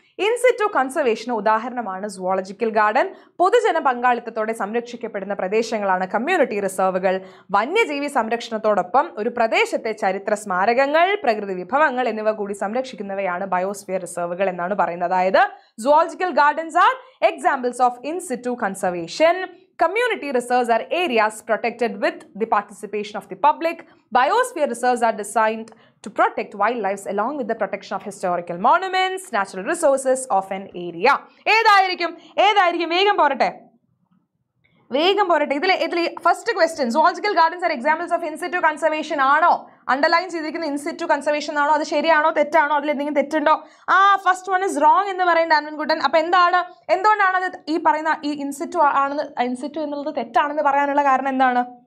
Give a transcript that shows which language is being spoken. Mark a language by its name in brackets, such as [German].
[Malayalam] In situ കൺസർവേഷന് ഉദാഹരണമാണ് zoological garden. പൊതുജന പങ്കാളിത്തത്തോടെ സംരക്ഷിക്കപ്പെടുന്ന പ്രദേശങ്ങളാണ് കമ്മ്യൂണിറ്റി റിസർവുകൾ. വന്യജീവി സംരക്ഷണത്തോടൊപ്പം ഒരു പ്രദേശത്തെ ചരിത്ര സ്മാരകങ്ങൾ, പ്രകൃതി വിഭവങ്ങൾ എന്നിവ കൂടി സംരക്ഷിക്കുന്നവയാണ് ബയോസ്ഫിയർ റിസർവുകൾ എന്നാണ് പറയുന്നത്. [English] അതായത് zoological gardens are examples of in situ conservation. Community reserves are areas protected with the participation of the public. Biosphere reserves are designed to protect wildlife along with the protection of historical monuments, natural resources of an area. [Malayalam] ഏതായിരിക്കും, ഏതായിരിക്കും? വേഗം പോരട്ടെ, വേഗം പോരട്ടെ. ഇതിലെ ഇതിലെ first question, [English] zoological gardens are examples of in situ conservation [Malayalam] ആണോ, underline ചെയ്തിരിക്കുന്ന ഇൻസിറ്റു കൺസർവേഷൻ ആണോ, അത് ശരിയാണോ തെറ്റാണോ, അതിൽ എന്തെങ്കിലും തെറ്റുണ്ടോ? ആ [English] first one is wrong [Malayalam] എന്ന് പറയുന്നത് അൻവിൻ കുട്ടൻ. അപ്പൊ എന്താണ്, എന്തുകൊണ്ടാണ് അത് ഈ പറയുന്ന ഈ ഇൻസിറ്റു ആണെന്ന്, ഇൻസിറ്റു എന്നുള്ളത് തെറ്റാണെന്ന് പറയാനുള്ള കാരണം എന്താണ്?